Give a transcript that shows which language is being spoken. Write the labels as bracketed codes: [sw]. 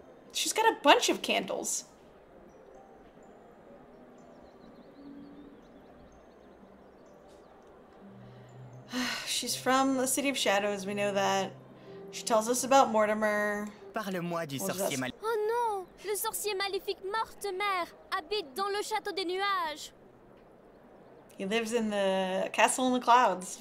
[en] She's got a bunch of candles. She's from the City of Shadows, we know that. She tells us about Mortimer. [fr] Parle-moi du sorcier maléfique. Oh non! Le sorcier maléfique Mortimer habite dans le château des nuages. [en] He lives in the castle in the clouds.